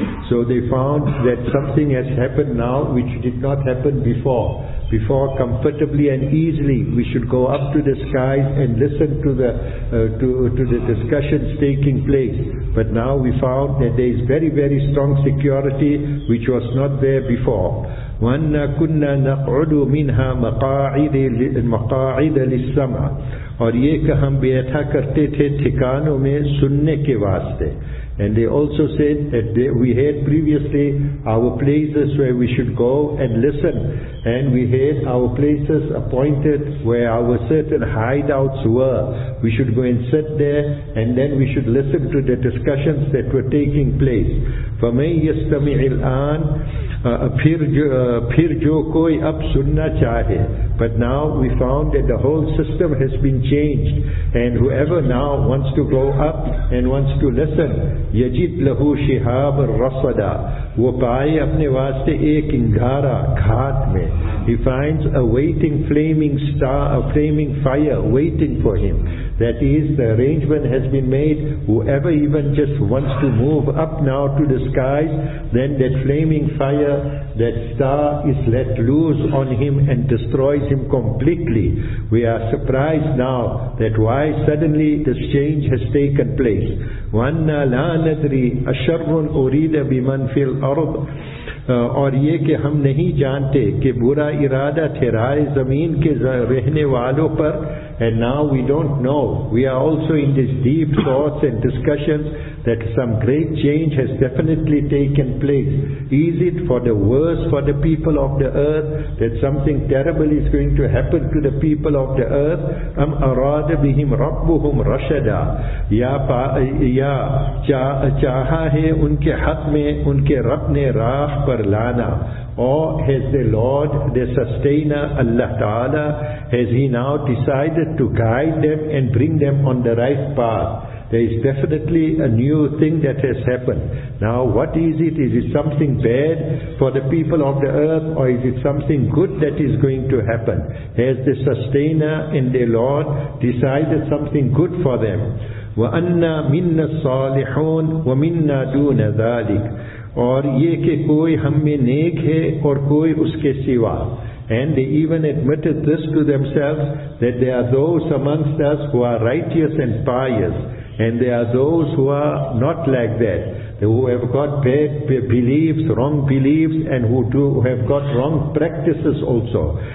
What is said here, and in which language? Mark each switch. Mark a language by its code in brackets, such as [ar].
[en] So they found that something has happened now which did not happen before. Before, comfortably and easily, we should go up to the skies and listen to the discussions taking place. But now we found that there is very, very strong security which was not there before. [ar] وَأَنَّا كُنَّا نَقْعُدُ مِنْهَا مَقَاعِدَ لِلسَّمْعَ [ur] اور یہ کہ ہم بیٹھا کرتے تھے ٹھکانوں میں سننے کے واسطے. [en] And they also said that we had previously our places where we should go and listen, and we had our places appointed where our certain hideouts were. We should go and sit there, and then we should listen to the discussions that were taking place. [ar] فَمَنْ يَسْتَمِعِ الْآنَ [ur] پھر جو کوئی اب سننا چاہے. [en] But now we found that the whole system has been changed, and whoever now wants to go up and wants to listen, [ar] يَجِدْ لَهُ شِحَابَ الرَّصَدَ [ur] وہ پائے اپنے واسطے ایک انگارا کھات میں. [en] He finds a waiting flaming star, a flaming fire waiting for him. That is, the arrangement has been made, whoever even just wants to move up now to the skies, then that flaming fire, that star is let loose on him and destroys him completely. We are surprised now that why suddenly this change has taken place. [ar] وَأَنَّا لَا نَدْرِي أَشَرٌ أُرِيدَ بِمَنْ فِي الْأَرْضِ [ur] اور یہ کہ ہم نہیں جانتے کہ برا ارادہ ٹھہرائے زمین کے رہنے والوں پر. [en] And now we don't know. We are also in these deep thoughts and discussions that some great change has definitely taken place. Is it for the worse for the people of the earth, that something terrible is going to happen to the people of the earth? [ar] Am arada bihim rabbuhum rashada [ur] ya chaaha hai unke haq mein unke rab ne raah par lana. [en] Or has the Lord, the Sustainer, Allah Ta'ala, has He now decided to guide them and bring them on the right path? There is definitely a new thing that has happened. Now what is it? Is it something bad for the people of the earth, or is it something good that is going to happen? Has the Sustainer and the Lord decided something good for them? [ar] وَأَنَّا مِنَّا الصَّالِحُونَ وَمِنَّا دُونَ ذَلِكَ [ur] اور یہ کہ کوئی ہم میں نیک ہے اور کوئی اس کے سوا. [en] And they even admitted this to themselves, that there are those amongst us who are righteous and pious, and there are those who are not like that. who have got bad beliefs, wrong beliefs, and who have got wrong practices also.